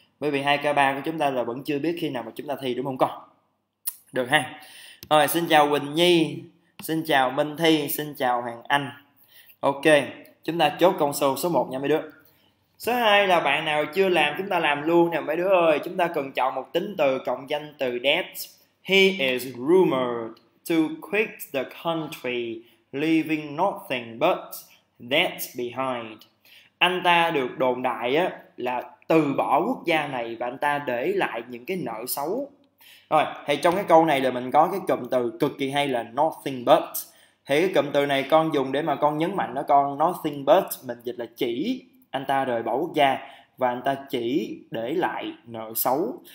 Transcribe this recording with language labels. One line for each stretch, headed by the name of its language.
Vietnamese: Bởi vì 2K3 của chúng ta là vẫn chưa biết khi nào mà chúng ta thi, đúng không con? Được ha. Rồi, xin chào Quỳnh Nhi, xin chào Minh Thi, xin chào Hoàng Anh. Ok, chúng ta chốt con sâu số 1 nha mấy đứa. Số 2 là bạn nào chưa làm, chúng ta làm luôn nè mấy đứa ơi. Chúng ta cần chọn một tính từ cộng danh từ that.
English: He is rumored to quit the country, leaving nothing but that behind.
Vietnamese: Anh ta được đồn đại á là từ bỏ quốc gia này và anh ta để lại những cái nợ xấu. Rồi, thì trong cái câu này là mình có cái cụm từ cực kỳ hay là
English: nothing but.
Vietnamese: Thì cái cụm từ này con dùng để mà con nhấn mạnh đó con.
English: Nothing but,
Vietnamese: mình dịch là chỉ anh ta rời bỏ quốc gia và anh ta chỉ để lại nợ xấu.